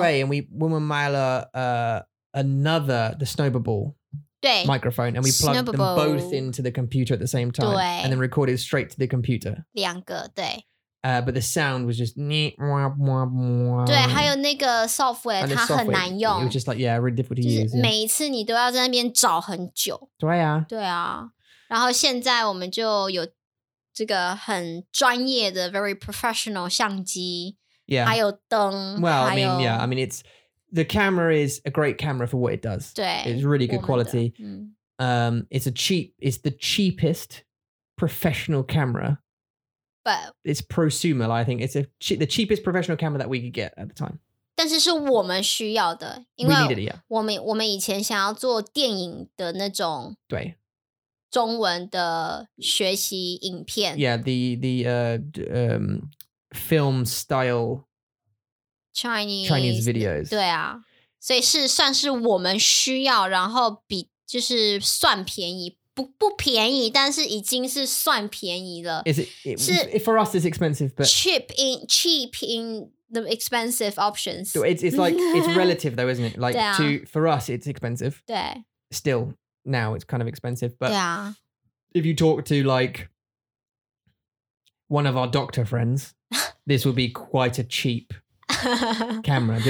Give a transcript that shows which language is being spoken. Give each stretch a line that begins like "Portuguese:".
English: Right, and we woman Myla another, the snowball microphone, and we plugged them both into the computer at the same time, and then recorded straight to the computer.
Chinese: 两个,对.
English: But the sound was just...
Chinese: 对,还有那个software, 它很难用.
English: It was just like, yeah, really difficult to use.
Chinese: 每一次你都要在那边找很久. 对啊. 对啊.然后现在我们就有...这个很专业的,
English: very professional
Chinese: 相机,
English: yeah.
Chinese: 还有灯,
English: well,
Chinese: 还有...
English: I mean, yeah, I mean, it's the camera is a great camera for what it does.
Chinese: 对,
English: it's really good quality.
Chinese: 我们的,
English: it's a cheap, it's the cheapest professional camera, but it's prosumer. I think it's a the cheapest professional camera that we could get at the time.
Chinese: 但是是我们需要的,
English: we needed it, yeah.
Chinese: 我们以前想要做电影的那种, 对。中文的学习影片
English: Yeah, the film style Chinese videos
Chinese: 对啊 所以是算是我们需要 然后比就是算便宜 不便宜 但是已经是算便宜了
English: Is it, it For us it's expensive but Cheap in the expensive options it's like It's relative though isn't it Like to For us it's expensive
Chinese: 对
English: Still Now it's kind of expensive but Yeah If you talk to, like, one of our doctor friends, this would be quite a cheap camera.